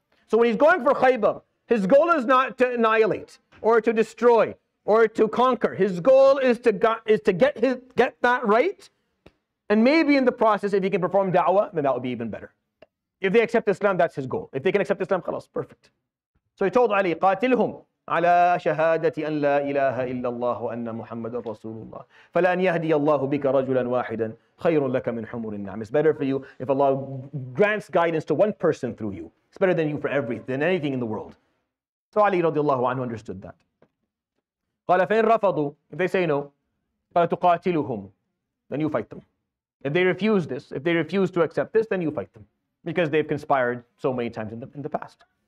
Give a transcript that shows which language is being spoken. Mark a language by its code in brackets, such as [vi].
[en] So when he's going for Khaibar, his goal is not to annihilate or to destroy or to conquer. His goal is to get that right, and maybe in the process, if he can perform da'wah, then that would be even better. If they accept Islam, that's his goal. If they can accept Islam, khalas, perfect. So he told Ali, [ar] قَاتِلْهُمْ عَلَىٰ شَهَادَةِ أَنْ لَا إِلَهَ إِلَّا اللَّهُ أَنَّ مُحَمَّدًا رَسُولُ اللَّهِ فَلَا أَنْ يَهْدِيَ اللَّهُ بِكَ رَجُلًا وَاحِدًا خَيْرٌ لَكَ مِنْ حُمُرِ النَّعْمِ. [en] It's better for you if Allah grants guidance to one person through you. It's better than you for everything, than anything in the world. So Ali radiallahu anhu understood that. [ar] قال فإن رفضوا, [en] if they say no, [ar] قال تقاتلهم, [en] then you fight them. If they refuse this, if they refuse to accept this, then you fight them. Because they've conspired so many times in the past.